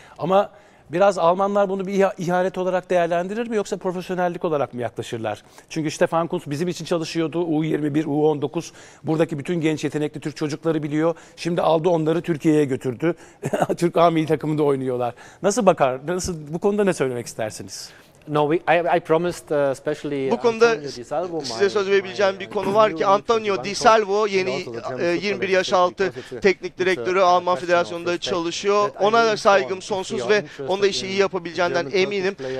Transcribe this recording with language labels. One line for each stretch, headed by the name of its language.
Turkish: Ama biraz Almanlar bunu bir ihanet olarak değerlendirir mi yoksa profesyonellik olarak mı yaklaşırlar? Çünkü Stefan Kuntz bizim için çalışıyordu. U21, U19 buradaki bütün genç yetenekli Türk çocukları biliyor. Şimdi aldı onları Türkiye'ye götürdü. Türk A milli takımında oynuyorlar. Nasıl bakar? Nasıl bu konuda ne söylemek istersiniz?
English: No, I promised especially.
Turkish: Bu konuda size söz verebileceğim bir konu var ki Antonio Di Salvo yeni 21 yaş altı teknik direktörü Alman Federasyonu'nda çalışıyor. Ona da saygım sonsuz ve onun da işi iyi yapabileceğinden eminim.